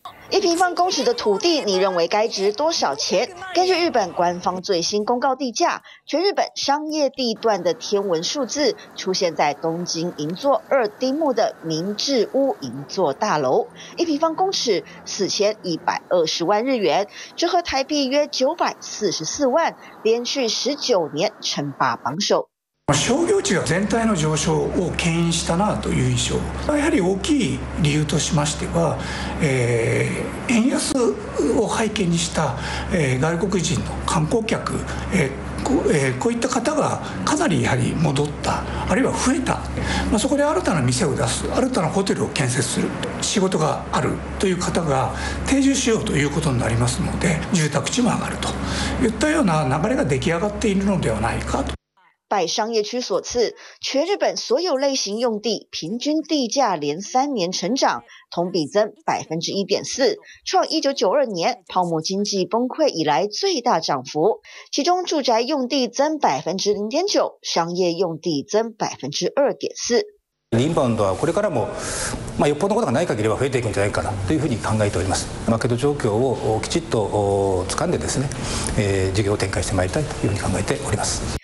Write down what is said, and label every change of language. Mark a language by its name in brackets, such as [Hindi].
[Chinese] 一平方公尺的土地，你认为该值多少钱？根据日本官方最新公告地价，全日本商业地段的天文数字出现在东京银座二丁目的明治屋银座大楼，一平方公尺4120万日元，折合台币约944万，连续19年称霸榜首。 [Japanese] 商業地は全体の上昇を牽引したなという印象、やはり大きい理由としましては、円安を背景にした、外国人の観光客、こういった方がかなりやはり戻った、あるいは増えた、まあ、そこで新たな店を出す、新たなホテルを建設する、仕事があるという方が定住しようということになりますので、住宅地も上がるといったような流れが出来上がっているのではないかと。 [Chinese] 拜商业区所赐，全日本所有类型用地平均地价连三年成长，同比增1.4%，创1992年泡沫经济崩溃以来最大涨幅。其中住宅用地增0.9%，商业用地增2.4%。 [Japanese] インバウンドはこれからも、まあ、よっぽどのことがない限りは増えていくんじゃないかなというふうに考えております。マーケット状況をきちっと掴んでですね、事業を展開してまいりたいというふうに考えております。